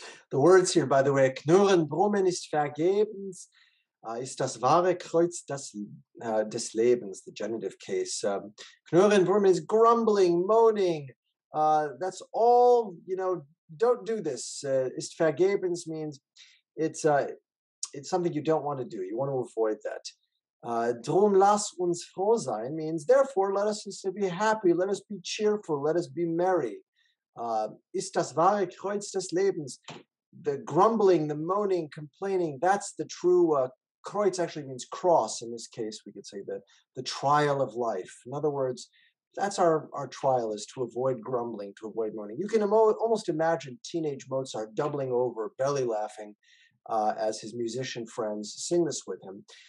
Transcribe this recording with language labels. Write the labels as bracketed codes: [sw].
[en] The words here, by the way, [de] Knurren, Brummen ist vergebens, ist das wahre Kreuz des Lebens, [en] the genitive case. [de] Knurren, Brummen [en] is grumbling, moaning. That's all, you know, don't do this. [de] Ist vergebens [en] means it's something you don't want to do. You want to avoid that. [de] Drum lass uns froh sein [en] means, therefore, let us instead be happy. Let us be cheerful. Let us be merry. [de] Ist das wahre Kreuz des Lebens. [en] The grumbling, the moaning, complaining, that's the true, Kreuz actually means cross. In this case, we could say the trial of life. In other words, that's our trial, is to avoid grumbling, to avoid moaning. You can almost imagine teenage Mozart doubling over, belly laughing, as his musician friends sing this with him.